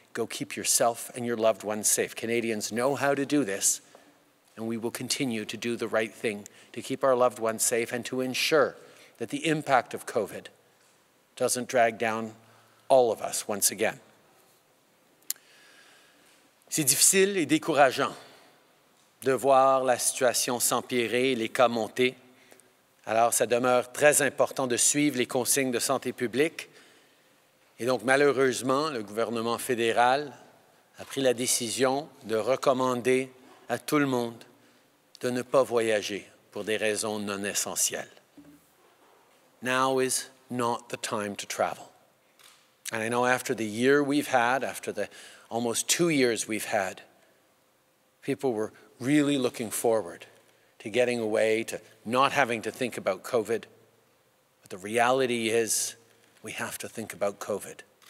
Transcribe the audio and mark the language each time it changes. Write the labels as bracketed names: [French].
[English] Go keep yourself and your loved ones safe. Canadians know how to do this, and we will continue to do the right thing to keep our loved ones safe and to ensure that the impact of COVID doesn't drag down all of us once again. [French] C'est difficile et décourageant de voir la situation s'empirer et les cas monter. Alors, ça demeure très important de suivre les consignes de santé publique. Et donc, malheureusement, le gouvernement fédéral a pris la décision de recommander à tout le monde de ne pas voyager pour des raisons non essentielles. [English] Now is not the time to travel. And I know after the year we've had, after the almost 2 years we've had, people were really looking forward to getting away, to not having to think about COVID. But the reality is, we have to think about COVID.